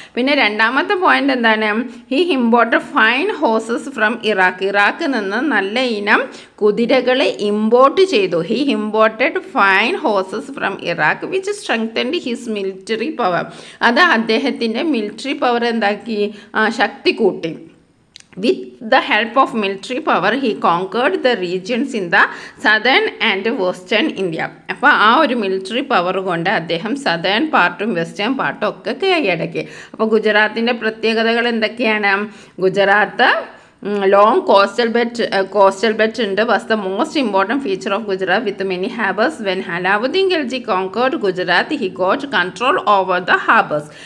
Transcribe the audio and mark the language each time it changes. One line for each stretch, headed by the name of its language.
Malayalam: പിന്നെ രണ്ടാമത്തെ പോയിന്റ് എന്താണ്?
English: He imported fine horses from Iraq.
Malayalam: Iraq നിന്ന് നല്ല ഇനം കുതിരകളെ ഇമ്പോർട്ട് ചെയ്തു.
English: He imported fine horses from Iraq which strengthened his military power.
Malayalam: അത് അദ്ദേഹത്തിൻ്റെ മിലിറ്ററി പവർ എന്താക്കി? ശക്തി കൂട്ടി.
English: With the help of military power, he conquered the regions in the southern and western India.
Malayalam: അപ്പോൾ ആ ഒരു മിലിറ്ററി പവർ കൊണ്ട് അദ്ദേഹം southern പാർട്ടും വെസ്റ്റേൺ പാർട്ടും ഒക്കെ കൈയടക്കി. അപ്പോൾ ഗുജറാത്തിൻ്റെ പ്രത്യേകതകൾ എന്തൊക്കെയാണ്? ഗുജറാത്ത് ലോങ് കോസ്റ്റൽ ബെൽറ്റ് ഉണ്ട്.
English: Was the most important feature of Gujarat with many harbours. When Alauddin Khalji conquered Gujarat he got control over the harbours.